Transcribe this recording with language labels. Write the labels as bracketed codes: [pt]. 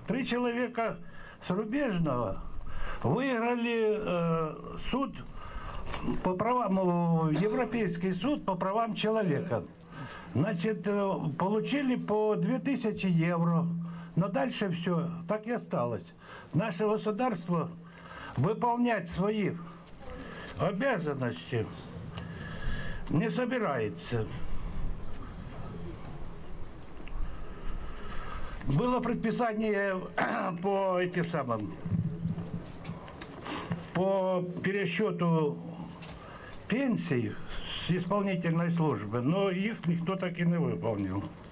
[ru] 3 человека с Рубежного выиграли суд по правам, Европейский суд по правам человека. [uk] Значить, отримали по 2000 євро. [ru] Но дальше все, так и осталось. Наше государство выполнять свои обязанности не собирается. Было предписание по этим самым, по пересчету пенсий с исполнительной службы, но их никто так и не выполнил.